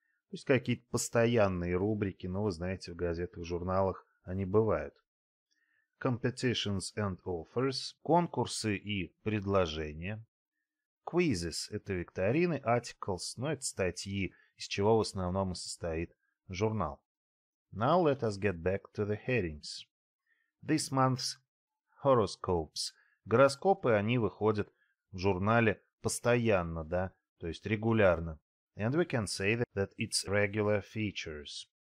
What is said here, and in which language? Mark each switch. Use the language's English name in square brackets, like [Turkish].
[Russian] То есть какие-то постоянные рубрики, но вы знаете, в газетах, в журналах они бывают. [English] Competitions and offers. [Russian] Конкурсы и предложения. Quizzes. Это викторины, articles. Ну, это статьи, из чего в основном и состоит журнал. [English] Now let us get back to the headings. This month's horoscopes. [Russian] Гороскопы, они выходят в журнале постоянно, да? То есть регулярно. [English] And we can say that it's regular features.